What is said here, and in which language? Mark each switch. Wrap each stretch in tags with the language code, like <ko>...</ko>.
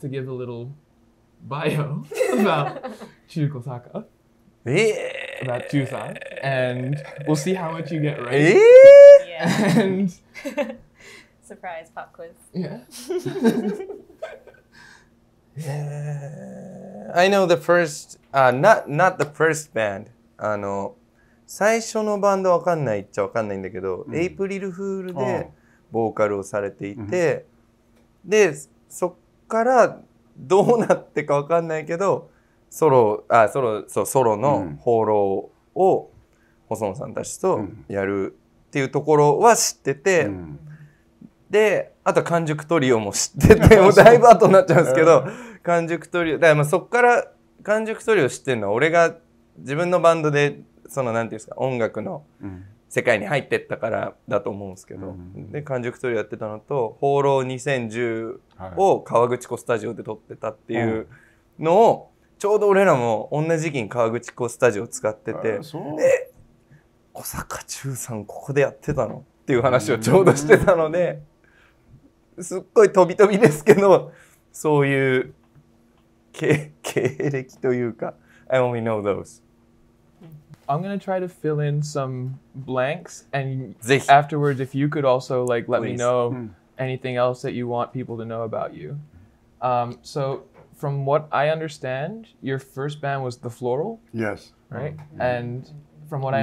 <en>To give a little bio about Chu Kosaka, about Chu-san, and we'll see how much you get right. Yeah. And surprise pop quiz. Yeah. I know the first, not the first band.</en> <ja>最初のバンドわかんないっちゃわかんないんだけど、エイプリルフールでボーカルをされていて、でそっからどうなってかわかんないけど、ソロの放浪を細野さんたちとやるっていうところは知ってて、で、あと完熟トリオも知ってて、もうだいぶ後になっちゃうんですけど、完熟トリオ、だからまあそっから完熟トリオ知ってるのは、俺が自分のバンドで、そのなんていうんですか、音楽の世界に入ってったからだと思うんですけど、で、完熟トリオやってたのと、放浪2010、はい、を川口湖スタジオで撮ってたっていうのを、ちょうど俺らも同じ時期に川口湖スタジオ使ってて、で、小坂忠さんここでやってたのっていう話をちょうどしてたので、すっごい飛び飛びですけど、そういう経歴というか、</ja> <en>I only know those. I'm gonna try to fill in some blanks and</en> <ja>ぜひ</ja> <en>afterwards if you could also like let me know anything else that you want people to know about you. So from what I understand, your first band was The Floral? Yes. Right? Mm-hmm. And from what I...</en>